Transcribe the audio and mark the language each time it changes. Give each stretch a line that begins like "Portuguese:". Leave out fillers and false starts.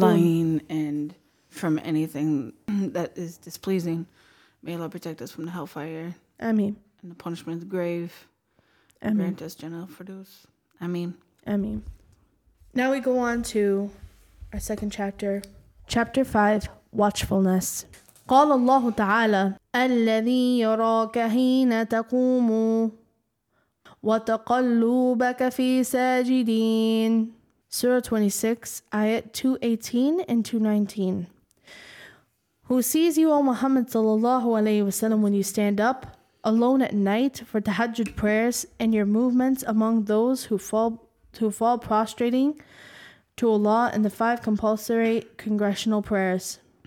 English: lying and from anything that is displeasing. May Allah protect us from the hellfire. Ameen. And the punishment of the grave. Ameen. Grant us Jannah al-Firdaws. Ameen. Ameen. Now we go on to our second chapter. Chapter 5, Watchfulness.
Arabic: قال الله تعالى الذي يراك حين تقوم وتقلبك في ساجدين.
English: Surah 26, ayat 218 and 219. Who sees you, O Muhammad sallallahu alayhi wasallam, when you stand up alone at night for tahajjud prayers and your movements among those who fall prostrating to Allah in the five compulsory congressional prayers.